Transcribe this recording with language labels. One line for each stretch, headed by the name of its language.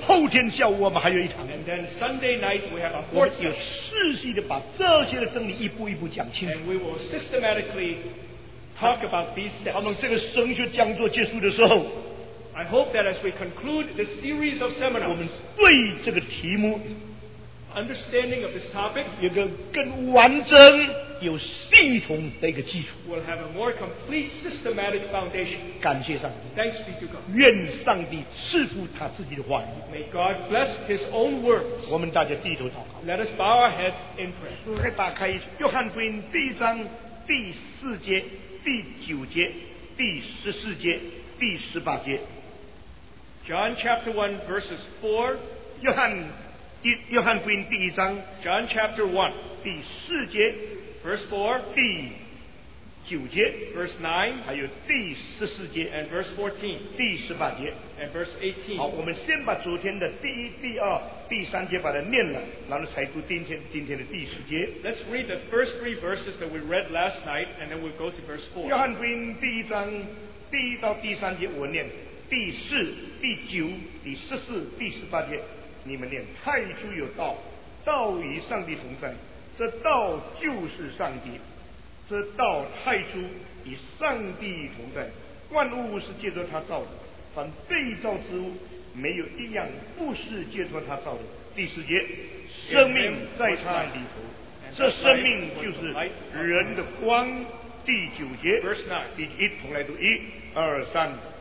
Chinese: 后天下午我们还有一堂。
English: And then Sunday night we have a fourth session.
Chinese: 我们要仔细地把这些的真理一步一步讲清楚。
English: And we will systematically talk about these steps.
Chinese: 我们这个神学讲座结束的时候，
English: I hope that as we conclude this series of seminars,
Chinese: 我们对这个题目
English: understanding of this topic,
Chinese: 一个更完整有系统的一个基础
English: will have a more complete systematic foundation.
Chinese: 感谢上帝
English: Thanks be to God.
Chinese: 愿上帝赐福他自己的话语
English: May God bless his own words.
Chinese: 我们大家低头祷告
English: Let us bow our heads in prayer.
Chinese: 我们再打开约翰福音第一章第四节第九节第十四节第十八节
English: John chapter 1 verses 4
Chinese: 约翰福音第一章
English: John chapter 1
Chinese: 第四节
English: verse 4
Chinese: 第九节
English: verse 9
Chinese: 还有第十四节
English: and verse 14
Chinese: 第十八节
English: and verse 18
Chinese: 好我们先把昨天的第一第二第三节把它念了然后才读今天的第十节
English: Let's read the first three verses that we read last night and then we'll go to verse 4
Chinese: 约翰福音第一章第一到第三节我念第四第九第十四第十八节你们念太初有道道与上帝同在这道就是上帝这道太初与上帝同在万物是借着他造的凡被造之物没有一样不是借着他造的第四节生命在他里头这生命就是人的光第九节第一同来读一二三